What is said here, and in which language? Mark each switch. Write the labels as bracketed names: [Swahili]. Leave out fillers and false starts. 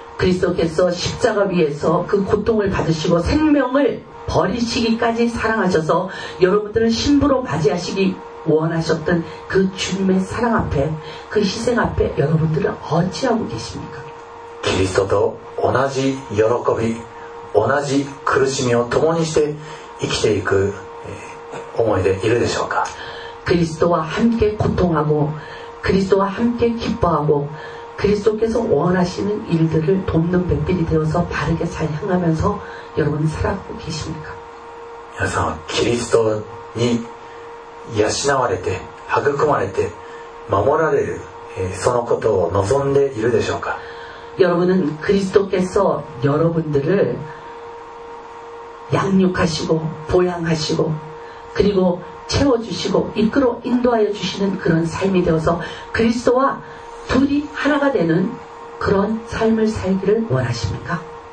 [Korean] 그리스도께서십자가위에서그고통을받으시고생명을버리시기까지사랑하셔서여러분들을신부로맞이하시기원하셨던그주님의사랑앞에그희생앞에여러분들은어찌하고계십니까 [Japanese] 그리스도도同じ喜び同じ苦しみを共にして生きていく思いでいるでしょうか [Korean] 그리스도와함께고통하고그리스도와함께기뻐하고그리스도께서원하시는일들을돕는배필이되어서바르게잘향하면서여러분살아가고계십니까 여러분은그리스도니 [Japanese] 養われて育まれて守られる、そのことを望んでいるでしょうか。 [Korean] 여러분은그리스도께서여러분들을양육하시고보양하시고그리고채워주시고이끌어인도하여주시는그런삶이되어서그리스도와둘이하나가되는그런삶을살기를원하십니까